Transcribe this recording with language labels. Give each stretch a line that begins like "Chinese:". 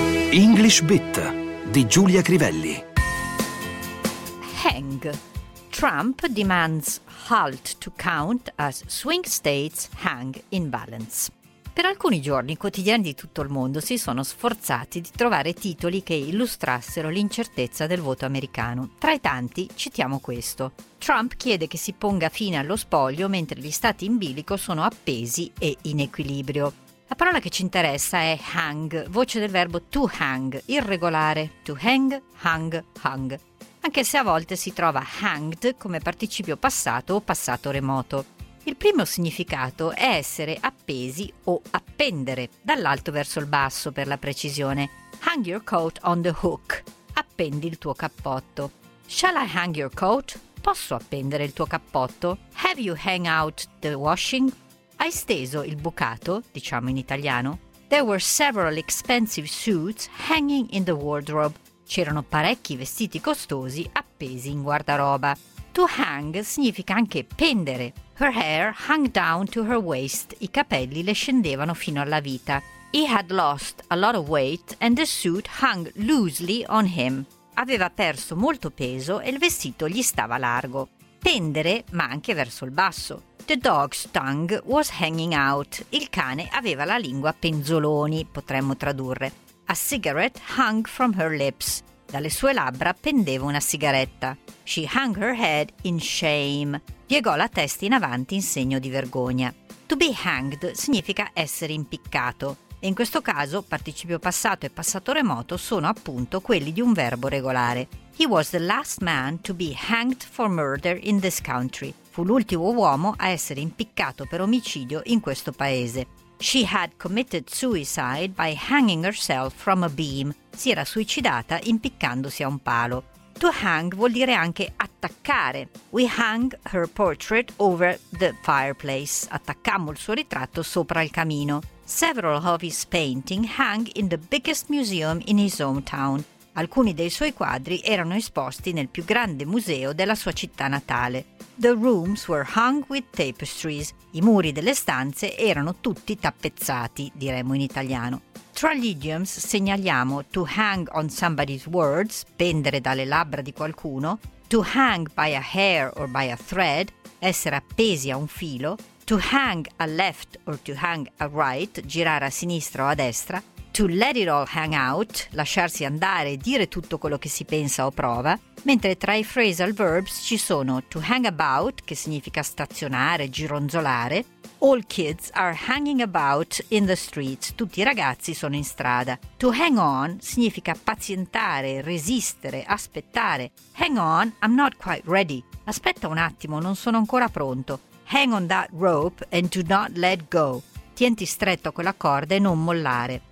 Italian: English Bit di Giulia Crivelli.
English: Hang. Trump demands halt to count as swing states hang in balance.
Italian: Per alcuni giorni i quotidiani di tutto il mondo si sono sforzati di trovare titoli che illustrassero l'incertezza del voto americano. Tra i tanti citiamo questo. Trump chiede che si ponga fine allo spoglio mentre gli stati in bilico sono appesi e in equilibrio. La parola che ci interessa è hang, voce del verbo to hang, irregolare, to hang, hung, hung, anche se a volte si trova hanged come participio passato o passato remoto. Il primo significato è essere appesi o appendere, dall'alto verso il basso per la precisione.
English: Hang your coat on the hook.
Italian: Appendi il tuo cappotto.
English: Shall I hang your coat?
Italian: Posso appendere il tuo cappotto?
English: Have you hang out the washing?
Italian: Hai steso il bucato, diciamo in italiano?
English: There were several expensive suits hanging in the wardrobe.
Italian: C'erano parecchi vestiti costosi appesi in guardaroba. To hang significa anche pendere.
English: Her hair hung down to her waist.
Italian: I capelli le scendevano fino alla vita.
English: He had lost a lot of weight and the suit hung loosely on him.
Italian: Aveva perso molto peso e il vestito gli stava largo. Pendere, ma anche verso il basso.
English: The dog's tongue was hanging out.
Italian: Il cane aveva la lingua penzoloni, potremmo tradurre.
English: A cigarette hung from her lips.
Italian: Dalle sue labbra pendeva una sigaretta.
English: She hung her head in shame.
Italian: Piegò la testa in avanti in segno di vergogna. To be hanged significa essere impiccato. E in questo caso, participio passato e passato remoto sono appunto quelli di un verbo regolare.
English: He was the last man to be hanged for murder in this country.
Italian: Fu l'ultimo uomo a essere impiccato per omicidio in questo paese.
English: She had committed suicide by hanging herself from a beam.
Italian: Si era suicidata impiccandosi a un palo. To hang vuol dire anche attaccare.
English: We hung her portrait over the fireplace.
Italian: Attaccammo il suo ritratto sopra il camino.
English: Several of his paintings hung in the biggest museum in his hometown.
Italian: Alcuni dei suoi quadri erano esposti nel più grande museo della sua città natale.
English: The rooms were hung with tapestries.
Italian: I muri delle stanze erano tutti tappezzati, diremmo in italiano. Tra gli idioms segnaliamo
English: to hang on somebody's words,
Italian: pendere dalle labbra di qualcuno,
English: to hang by a hair or by a thread,
Italian: essere appesi a un filo,
English: to hang a left or to hang a right,
Italian: girare a sinistra o a destra,
English: to let it all hang out,
Italian: lasciarsi andare e dire tutto quello che si pensa o prova, mentre tra i phrasal verbs ci sono to hang about, che significa stazionare, gironzolare,
English: all kids are hanging about in the streets,
Italian: tutti i ragazzi sono in strada. To hang on significa pazientare, resistere, aspettare.
English: Hang on, I'm not quite ready.
Italian: Aspetta un attimo, non sono ancora pronto.
English: Hang on that rope and do not let go.
Italian: Tienti stretto quella corda e non mollare.